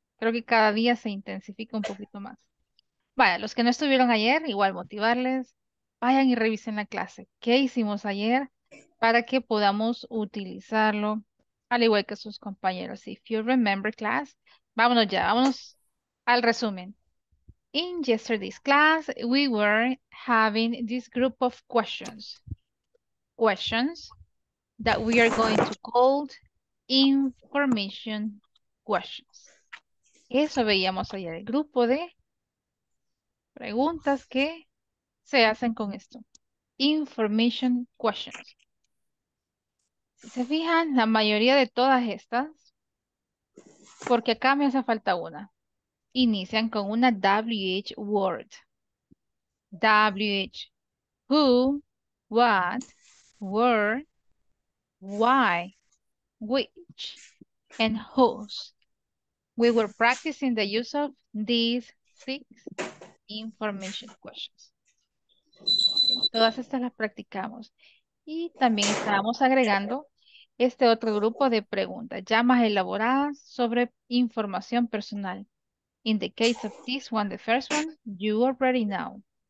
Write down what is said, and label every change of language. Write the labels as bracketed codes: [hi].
[es] Creo que cada día se intensifica un poquito más. Vaya, los que no estuvieron ayer, igual motivarles, vayan y revisen la clase. ¿Qué hicimos ayer para que podamos utilizarlo al igual que sus compañeros? [en] If you remember class, [es] vámonos ya, vámonos al resumen. [en] In yesterday's class, we were having this group of questions. Questions that we are going to call information questions. [es] Eso veíamos allá, el grupo de preguntas que se hacen con esto. Information questions. Si se fijan, la mayoría de todas estas, porque acá me hace falta una, inician con una WH word. [en] WH. Who, what, where, why, which, and whose. We were practicing the use of these six information questions. [es] Okay. Todas estas las practicamos. Y también estábamos agregando este otro grupo de preguntas, ya más elaboradas sobre información personal. [en] In the case of this one, the first one, you already know.